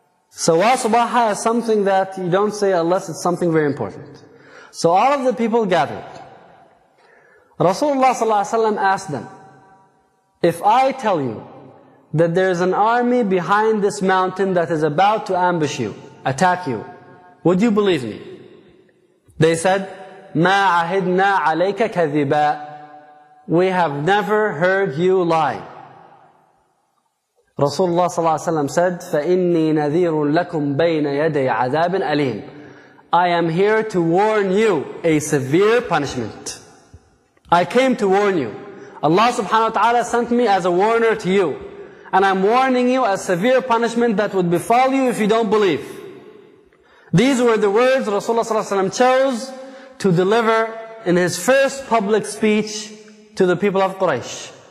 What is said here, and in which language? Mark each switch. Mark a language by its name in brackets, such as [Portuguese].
[English] So Wa Subaha is something that you don't say unless it's something very important. So all of the people gathered. Rasulullah sallallahu alaihi wasallam asked them, if I tell you that there is an army behind this mountain that is about to ambush you, attack you, would you believe me? They said, [Arabic] مَا عَهِدْنَا عَلَيْكَ كَذِبًا. [English] We have never heard you lie. Rasulullah sallallahu alaihi wasallam said, [Arabic] فَإِنِّي نَذِيرٌ لَكُمْ بَيْنَ يَدَيْ عَذَابٍ أَلِيمٍ. [English] I am here to warn you a severe punishment. I came to warn you. Allah subhanahu wa ta'ala sent me as a warner to you. And I'm warning you a severe punishment that would befall you if you don't believe. These were the words Rasulullah sallallahu alaihi wasallam chose to deliver in his first public speech to the people of Quraysh.